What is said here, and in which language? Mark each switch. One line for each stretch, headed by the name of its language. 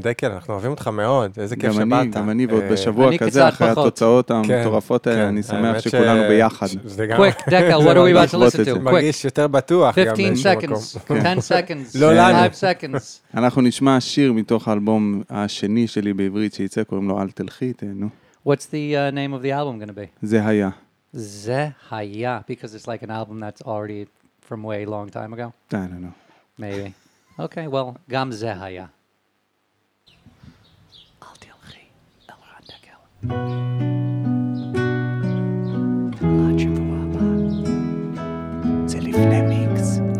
Hebrew: דקל, אנחנו אוהבים אותך מאוד, איזה כיף שבאת. גם אני, ועוד בשבוע כזה, אחרי התוצאות המטורפות האלה, אני שמח שכולנו ביחד.
English: Quick, דקל, what are we about to listen to?
Hebrew: מרגיש יותר בטוח.
English: 15 seconds, 10 seconds, 5 seconds.
Hebrew: אנחנו נשמע שיר מתוך האלבום השני שלי בעברית שיצא, קוראים לו אל תלכי, תהנו.
English: What's the name of the album going to be?
Hebrew: זה היה. זה היה,
English: because it's like an album that's already from way long time ago? I don't know. Maybe. Okay, well,
Hebrew: גם זה היה. אל תלכי, אל רן דקל. עד שבוע הבא. זה לפני מיקס.